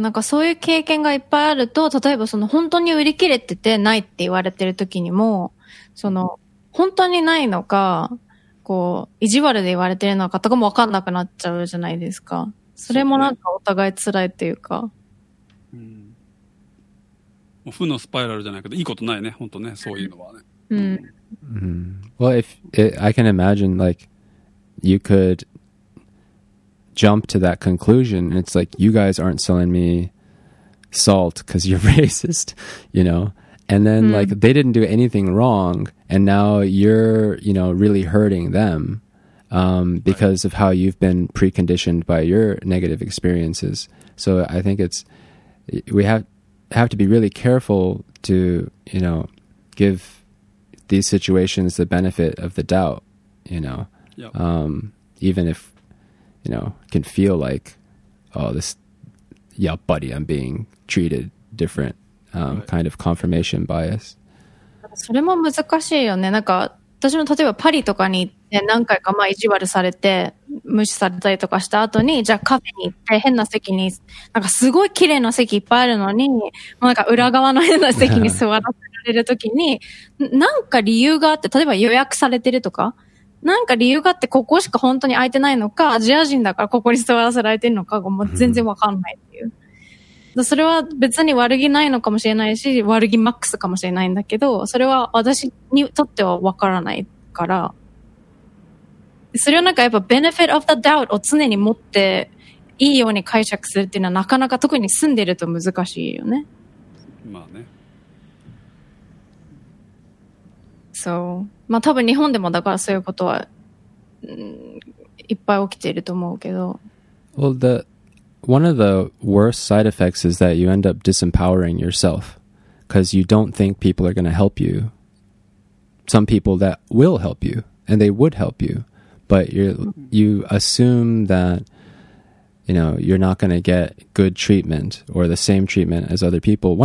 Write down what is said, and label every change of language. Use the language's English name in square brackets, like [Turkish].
[Japanese] なんかそういう経験がいっぱいあると、例えばその本当に売り切れててないって言われてる時にも、その本当にないのか、こう意地悪で言われてるのかとかも分かんなくなっちゃうじゃないですか。それもなんかお互い辛いというか。うん。負のスパイラルじゃないけど、いいことないね、本当ね、そういうのはね。うん。 [English] Well, if I can imagine, like, you could... jump to that conclusion and it's like you guys aren't selling me salt because you're racist, you know, and then like they didn't do anything wrong and now you're, you know, really hurting them because of how you've been preconditioned by your negative experiences. So I think it's we have to be really careful to, you know, give these situations the benefit of the doubt, you know, even ifYou know, can feel like, oh, this, yeah, buddy, I'm being treated different, right. kind of confirmation bias. [Japanese] それも難しいよね。なんか私も例えばパリとかに行って何回かまあ意地悪されて無視されたりとかした後に、じゃあカフェに行って変な席に、なんかすごい綺麗な席いっぱいあるのに、なんか裏側の変な席に座らせられる時に、なんか理由があって、例えば予約されてるとか、なんか理由があってここしか本当に空いてないのか、アジア人だからここに座らせられてるのかがもう全然わかんないっていう、うん。それは別に悪気ないのかもしれないし、悪気マックスかもしれないんだけど、それは私にとってはわからないから。それはなんかやっぱ [English] benefit of the doubt [Japanese] を常に持っていいように解釈するっていうのはなかなか特に住んでると難しいよね。まあね。そう。まあ多分日本でもだからそういうことは、いっぱい起きていると思うけど。 [English] Well, one of the worst side effects is that you end up disempowering yourself because you don't think people are going to help you. Some people that will help you and they would help you, but you assume that, you know, you're not going to get good treatment or the same treatment as other people.